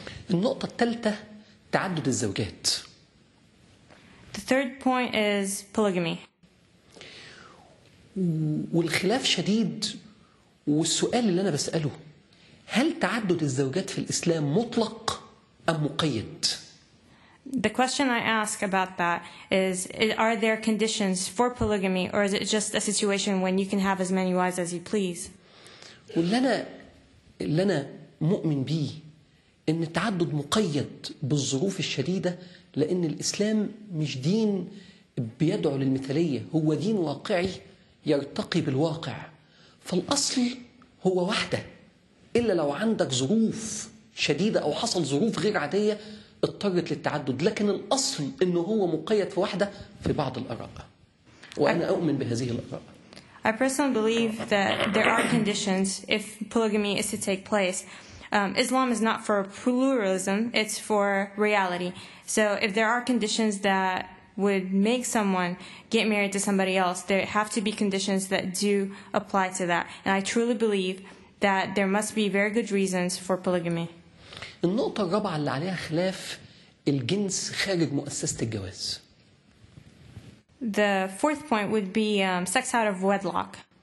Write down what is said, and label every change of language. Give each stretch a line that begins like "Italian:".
Arabic: النقطة الثالثة تعدد الزوجات.
English: The third point is polygamy.
Arabic: والخلاف شديد، والسؤال اللي أنا بسأله، هل تعدد الزوجات في الإسلام مطلق أم مقيد؟
English: The question I ask about that is, are there conditions for polygamy, or is it just a situation when you can have as many wives as you please?
Arabic: واللي أنا مؤمن به إن التعدد مقيد بالظروف الشديدة، لأن الإسلام مش دين بيدعو للمثالية، هو دين واقعي يرتقي بالواقع. فالأصل هو واحدة، إلا لو عندك ظروف شديدة أو حصل ظروف غير عادية اضطرت للتعدد، لكن الأصل إنه هو مقيد في واحدة في بعض الآراء، وأنا أؤمن بهذه الآراء.
English: I personally believe that there are conditions if polygamy is to take place. Islam is not for pluralism, it's for reality. So if there are conditions that would make someone get married to somebody else, there have to be conditions that do apply to that. And I truly believe that there must be very good reasons for polygamy.
Arabic: النقطة الرابعة اللي عليها خلاف، الجنس خارج مؤسسة الجواز.
English: The fourth point would be sex out of wedlock.